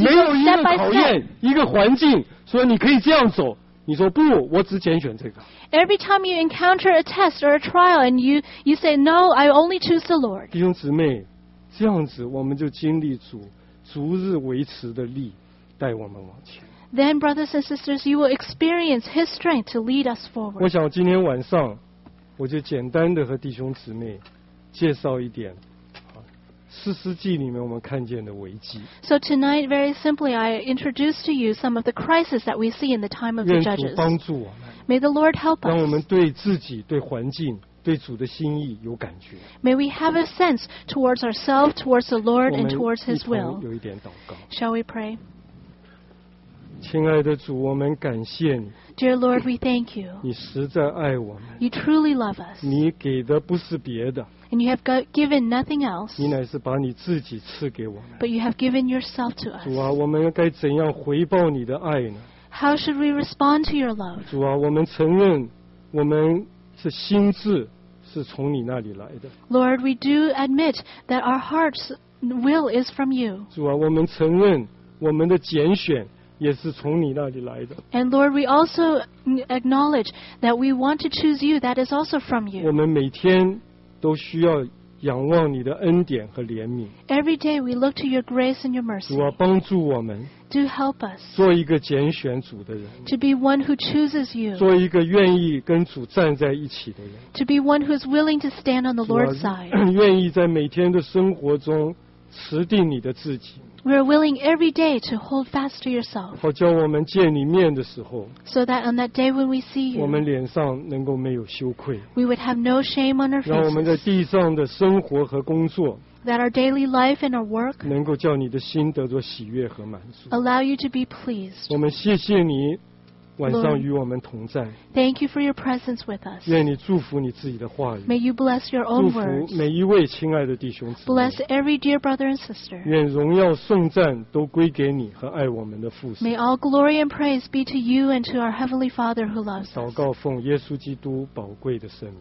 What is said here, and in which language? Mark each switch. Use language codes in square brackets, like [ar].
[zh] 没有一个考验，一个环境说你可以这样走。你说不，我只拣选这个。 [en] Every time you encounter a test or a trial, and you say no, I only choose the Lord. [zh] 弟兄姊妹，这样子我们就经历主逐日维持的力带我们往前。 [en] Then, brothers and sisters, you will experience His strength to lead us forward. [zh] 我想今天晚上我就简单的和弟兄姊妹介绍一点。四世纪里面我们看见的危机。 [en] So tonight, very simply, I introduce to you some of the crises that we see in the time of the judges. [zh] 愿主帮助我们。 [en] May the Lord help us. [zh] 让我们对自己、对环境对主的心意有感觉。 [en] May we have a sense towards ourselves, towards the Lord, and towards His will. [zh] 有一点祷告。 [en] Shall we pray? [zh] 亲爱的主，我们感谢你。 [en] Dear Lord, we thank you. [zh] 你实在爱我们。 [en] You truly love us. [zh] 你给的不是别的。 [en] And you have given nothing else. [zh] 你乃是把你自己赐给我们。 [en] But you have given yourself to us. [zh] 主啊，我们该怎样回报你的爱呢？ [en] How should we respond to your love? [zh] 主啊，我们承认我们是心智是从你那里来的。 [en] Lord, we do admit that our heart's will is from you. [zh] 主啊，我们承认我们的拣选也是从你那里来的。 [en] And Lord, we also acknowledge that we want to choose you. That is also from you. [zh] 我们每天都需要仰望你的恩典和怜悯。 [en] Every day we look to your grace and your mercy. [zh] 主啊，帮助我们。 [en] Do help us. [zh] 做一个拣选主的人。 [en] To be one who chooses you. [zh] 做一个愿意跟主站在一起的人。 [en] To be one who is willing to stand on the Lord's side. [zh] 愿意在每天的生活中持定你的自己。 [en] We are willing every day to hold fast to yourself. [zh] 好叫我们见你面的时候。 [en] So that on that day when we see you. [zh] 我们脸上能够没有羞愧。 [en] We would have no shame on our faces. [zh] 让我们在地上的生活和工作。 [en] That our daily life and our work. [zh] 能够叫你的心得着喜悦和满足。 [en] Allow you to be pleased. [zh] 我们谢谢你晚上与我们同在。 [en] Lord, thank you for your presence with us. [zh] 愿你祝福你自己的话语。 [en] May you bless your own words. [zh] 祝福每一位亲爱的弟兄姊妹。 [en] Bless every dear brother and sister. [zh] 愿荣耀颂赞都归给你和爱我们的父神。 [en] May all glory and praise be to you and to our heavenly Father who loves us. [zh] 祷告奉耶稣基督宝贵的圣名。